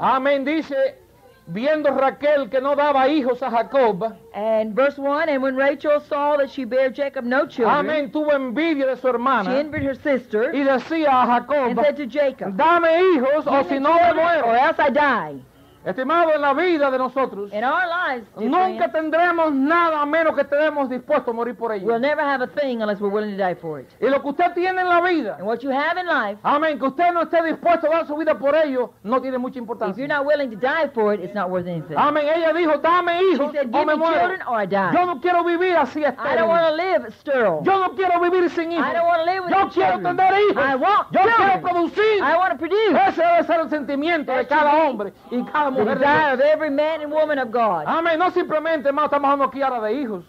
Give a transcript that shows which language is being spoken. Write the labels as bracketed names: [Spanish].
[Spanish] Amén. Dice, viendo Raquel que no daba hijos a Jacob. [English] And verse 1, and when Rachel saw that she bare Jacob no children. [Spanish] Amén. Tuvo envidia de su hermana. [English] She envied her sister. [Spanish] Y decía a Jacob. [English] And said to Jacob. [Spanish] Dame hijos o si no me muero. [English] Or else I die. [Spanish] Estimado, en la vida de nosotros [English] lives, [Spanish] nunca tendremos nada a menos que estemos dispuestos a morir por ello. [English] We'll never have a thing unless we're willing to die for it. [Spanish] Y lo que usted tiene en la vida, [English] and what you have in life, [Spanish] amén, que usted no esté dispuesto a dar su vida por ello, no tiene mucha importancia. [English] If you're not willing to die for it, it's not worth anything. [Spanish] Amén. Ella dijo, dame hijos, [English] she said, give me children or I die. [Spanish] Yo no quiero vivir así estéril. [English] I don't want to live sterile. [Spanish] Yo no quiero vivir sin hijos. [English] I don't want to live with [Spanish] yo quiero [English] children. [Spanish] Tener hijos. [English] I want [Spanish] yo [English] children. [Spanish] Quiero producir. [English] I want to produce. [Spanish] Ese debe ser el sentimiento [English] that [Spanish] de cada hombre y cada [English] the desire of every man and woman of God. [Spanish] Amén. No simplemente, hermano, estamos hablando aquí ahora de hijos.